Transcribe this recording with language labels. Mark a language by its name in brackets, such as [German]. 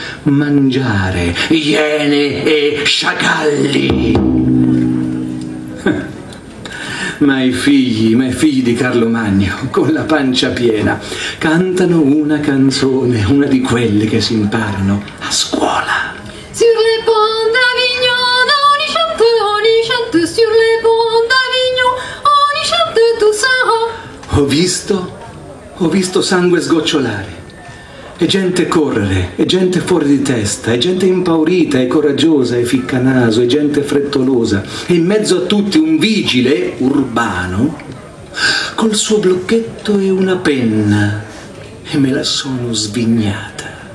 [Italian] Mangiare, iene e sciacalli. Ma i figli di Carlo Magno, con la pancia piena, cantano una canzone, una di quelle che si imparano a scuola. [French] Sur le ponts d'Avignon, oni chante, sur le ponts d'Avignon, oni chante tout ça. [Italian] Ho visto sangue sgocciolare, e gente correre, e gente fuori di testa, e gente impaurita, e coraggiosa, e ficcanaso, e gente frettolosa, e in mezzo a tutti un vigile urbano col suo blocchetto e una penna, e me la sono svignata.